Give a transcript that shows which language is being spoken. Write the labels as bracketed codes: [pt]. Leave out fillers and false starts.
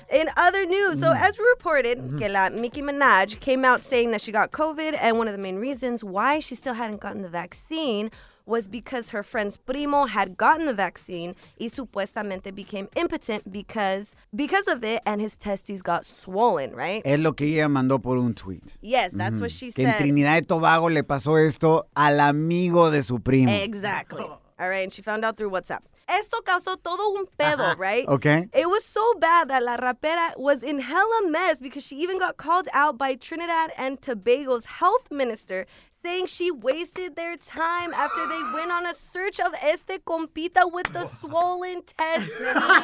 [en] In other news, so as we reported, [es] que la [en] Nicki Minaj came out saying that she got COVID, and one of the main reasons why she still hadn't gotten the vaccine was because her friend's primo had gotten the vaccine [es] y supuestamente [en] became impotent because of it, and his testes got swollen, right? [es] Es lo que ella mandó por un tweet. [en] Yes, that's what she said. [es] Que en Trinidad y Tobago le pasó esto al amigo de su primo. [en] Exactly. All right, and she found out through WhatsApp. [es] Esto causó todo un pedo, right? [en] Okay. It was so bad that [es] la rapera [en] was in hella mess because she even got called out by Trinidad and Tobago's health minister saying she wasted their time after they went on a search of [es] este compita [en] with the swollen testes.